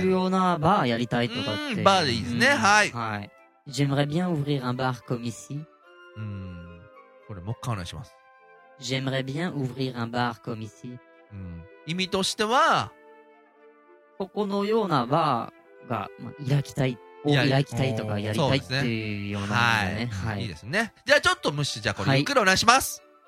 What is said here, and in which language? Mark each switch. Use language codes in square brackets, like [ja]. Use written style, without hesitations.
[ja] こういうようなバーやりたいとかって、バーでいいですね、はい、はい、 [fr] J'aimerais bien ouvrir un bar comme ici。 [ja] これもう一回お願いします。 [fr] J'aimerais bien ouvrir un bar comme ici. [ja] 意味としては、ここのようなバーが、まあ、開きたい、とかやりたいっていうようなね、はい。はい。いいですね。じゃあちょっと無視、じゃあこれゆっくりお願いします。